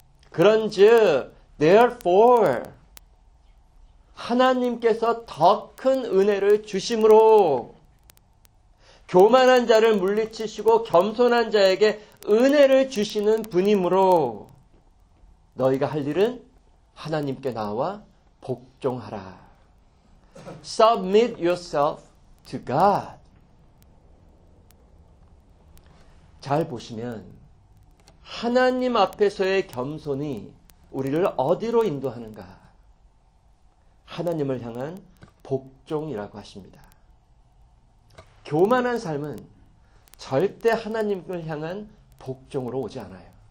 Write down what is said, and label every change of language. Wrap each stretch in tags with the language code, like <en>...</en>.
<ko>그런즉 therefore 하나님께서 더 큰 은혜를 주심으로 교만한 자를 물리치시고 겸손한 자에게 은혜를 주시는 분이므로 너희가 할 일은 하나님께 나와 복종하라.</ko> <en>Submit yourself to God.</en> <ko>잘 보시면 하나님 앞에서의 겸손이 우리를 어디로 인도하는가? 하나님을 향한 복종이라고 하십니다. 교만한 삶은 절대 하나님을 향한 복종으로 오지 않아요.</ko>